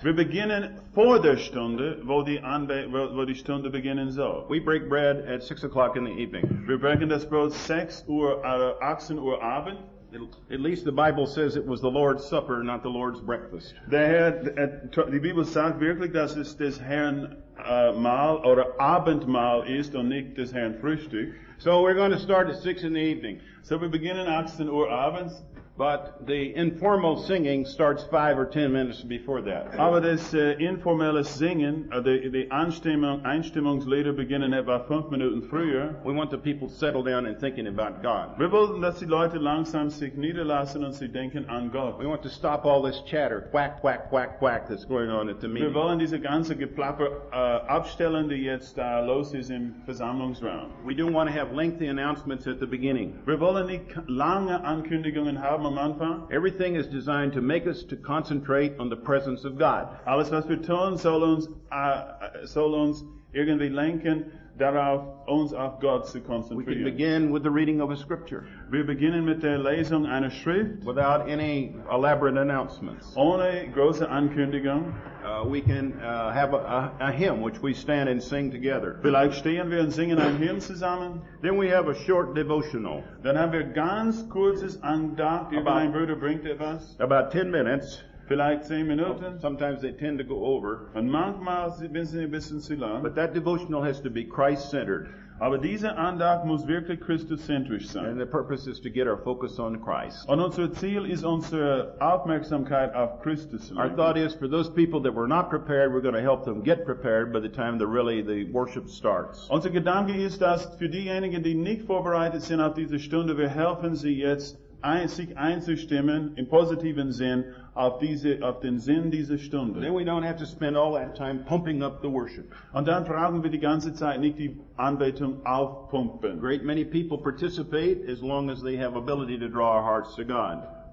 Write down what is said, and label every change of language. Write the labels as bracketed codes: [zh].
[de] Wir beginnen vor der Stunde, wo die Stunde beginnen soll. [en] We break bread at 6 o'clock in the evening. [de] Wir brechen das Brot 6 Uhr Abend. [en] At least the Bible says it was the Lord's Supper, not the Lord's breakfast. [de] Die Bibel sagt wirklich, dass es des Herrn Mahl oder Abendmahl ist und nicht des Herrn Frühstück. [en] So we're going to start at 6 in the evening. [de] So wir beginnen 18 Uhr abends. [en] But the informal singing starts 5 or 10 minutes before that. [de] Aber das informelle Singen, die Einstimmungslieder beginnen etwa 5 Minuten früher. [en] We want the people to settle down and thinking about God. [de] Wir wollen, dass die Leute langsam sich niederlassen und sie denken an Gott. [en] We want to stop all this chatter, quack, quack, quack, quack, that's going on at the meeting. [de] Wir wollen diese ganze Geplapper abstellen, die jetzt los ist im Versammlungsraum. [en] We don't want to have lengthy announcements at the beginning. [de] Wir wollen nicht lange Ankündigungen haben. [en] Everything is designed to make us to concentrate on the presence of God. [de] Alles, was wir tun, soll uns irgendwie lenken, darauf uns auf Gott zu konzentrieren. [en] We can begin with the reading of a scripture. [de] Wir beginnen mit der Lesung einer Schrift. [en] Without any elaborate announcements. [de] Ohne große Ankündigung. [en] We can have a hymn which we stand and sing together. [de] Vielleicht stehen wir und singen ein Hymn zusammen. [en] Then we have a short devotional. [de] Dann haben wir ganz kurzes Andacht. Mein Bruder bringt etwas. [en] About 10 minutes. [de] Vielleicht 10 Minuten. [en] Sometimes they tend to go over. [de] Und manchmal sind sie ein bisschen zu lang. [en] But that devotional has to be Christ-centered. [de] Aber diese Andacht muss wirklich christozentrisch sein. [en] And the purpose is to get our focus on Christ. [de] Und unser Ziel ist unsere Aufmerksamkeit auf Christus. [en] Our thought is for those people that were not prepared, we're going to help them get prepared by the time the worship starts. [de] Unser Gedanke ist, dass für diejenigen, die nicht vorbereitet sind auf diese Stunde, wir helfen sie jetzt, sich einzustimmen im positiven Sinn auf den Sinn dieser Stunde. [en] Then we don't have to spend all that time pumping up the worship. [de] Und dann brauchen wir die ganze Zeit nicht die Anbetung aufpumpen. [en] Great many people participate as long as they have ability to draw our hearts to God.